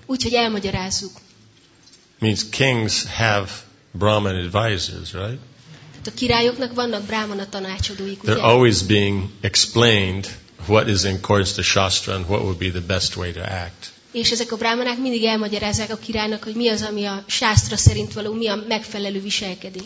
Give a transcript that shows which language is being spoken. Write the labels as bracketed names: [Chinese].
[Hungarian] Úgyhogy elmagyarázzuk. [English] Means kings have Brahman advisors, right? [Hungarian] A királyoknak vannak Brahmana tanácsadóik. [English] They're always being explained what is in accordance to Shastra and what would be the best way to act. [Hungarian] És ezek a brahmanák mindig elmagyarázzák a királynak, hogy mi az, ami a Shastra szerint való, mi a megfelelő viselkedés.